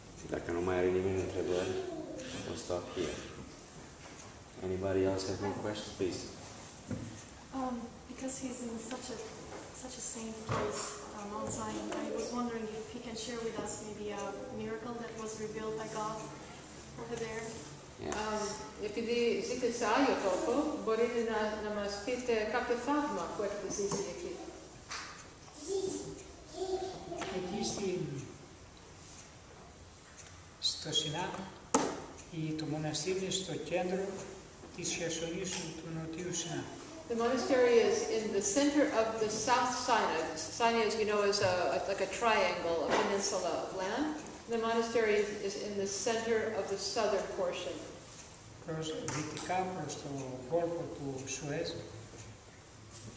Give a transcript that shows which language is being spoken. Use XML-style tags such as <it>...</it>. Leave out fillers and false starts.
<ro>Dacă nu mai are nimeni întrebări, o</ro> <en>stop here. Anybody else have any questions, please? Because he's in such a saint place on Zion, I was wondering if he can share with us maybe a miracle that was revealed by God over there.</en> <el>Επειδή ζει και σε άλλο τόπο, μπορείτε να μας πείτε κάποιο θαύμα που έχετε ζήσει εκεί. Εκεί στο Σινά, το μοναστήρι στο κέντρο της Χερσονήσου του Νοτιού Σινά.</el> <en>The monastery is in the center of the South Sinai. Sinai, as you know, is like a triangle, a peninsula of land. The monastery is in the center of the southern portion. If</en>